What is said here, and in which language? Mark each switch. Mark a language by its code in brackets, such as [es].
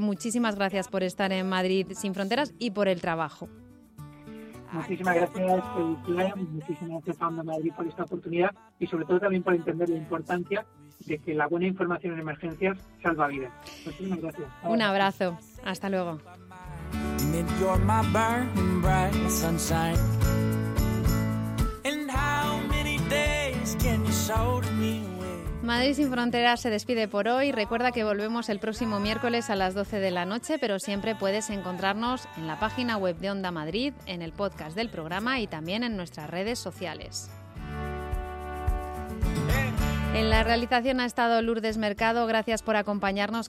[es] Muchísimas gracias por estar en Madrid Sin Fronteras y por el trabajo. Muchísimas gracias, Felicia, muchísimas gracias a Onda Madrid por esta oportunidad y sobre todo también por entender la importancia de que la buena información en emergencias salva vidas. Muchísimas gracias. Hasta un abrazo. Hasta luego. [en] And you're my burning bright sunshine. And how many days can you show to me? [es] Madrid sin Fronteras se despide por hoy. Recuerda que volvemos el próximo miércoles a las 12 de la noche, pero siempre puedes encontrarnos en la página web de Onda Madrid, en el podcast del programa y también en nuestras redes sociales. En la realización ha estado Lourdes Mercado. Gracias por acompañarnos.